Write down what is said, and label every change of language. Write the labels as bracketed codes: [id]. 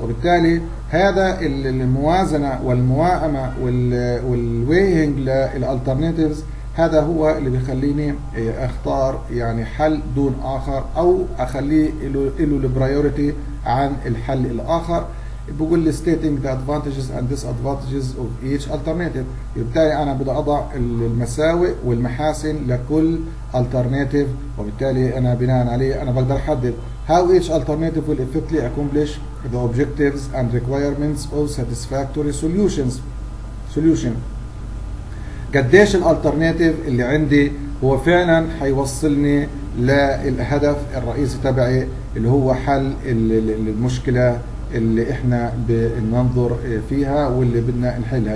[ar] وبالتالي هذا الموازنه والموائمه والويهنج للالترناتيفز، هذا هو اللي بيخليني اختار يعني حل دون اخر، او اخليه له البرايورتي عن الحل الاخر. بقول لي [en] stating the advantages and disadvantages of each alternative، [ar] وبالتالي انا بدي اضع المساوئ والمحاسن لكل [en] alternative، [ar] وبالتالي انا بناء عليه انا بقدر احدد [en] how each alternative will effectively accomplish the objectives and requirements of satisfactory solutions. [ar] solution قديش الالترناتيف اللي عندي هو فعلا حيوصلني للهدف الرئيسي تبعي اللي هو حل المشكله اللي احنا بننظر فيها واللي بدنا نحلها.